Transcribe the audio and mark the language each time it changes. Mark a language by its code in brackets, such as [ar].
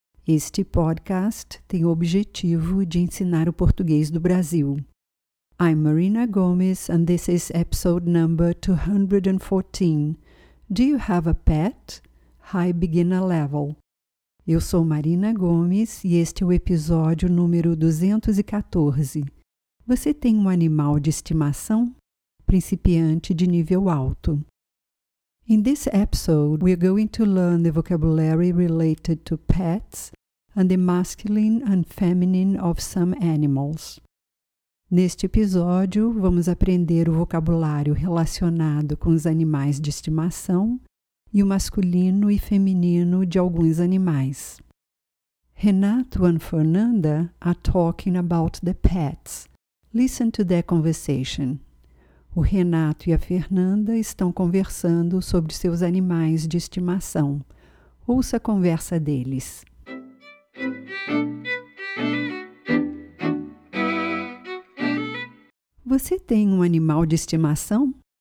[pt] Este podcast tem o objetivo de ensinar o português do Brasil. [en] I'm Marina Gomes and this is episode number 214. Do you have a pet? High beginner level. [pt] Eu sou Marina Gomes e este é o episódio número 214. Você tem um animal de estimação? Principiante de nível alto. [en] In this episode, we're going to learn the vocabulary related to pets and the masculine and feminine of some animals. [pt] Neste episódio, vamos aprender o vocabulário relacionado com os animais de estimação e o masculino e feminino de alguns animais. [en] Renato and Fernanda are talking about the pets. Listen to their conversation. [pt] O Renato e a Fernanda estão conversando sobre seus animais de estimação. Ouça a conversa deles. Você tem um animal de estimação?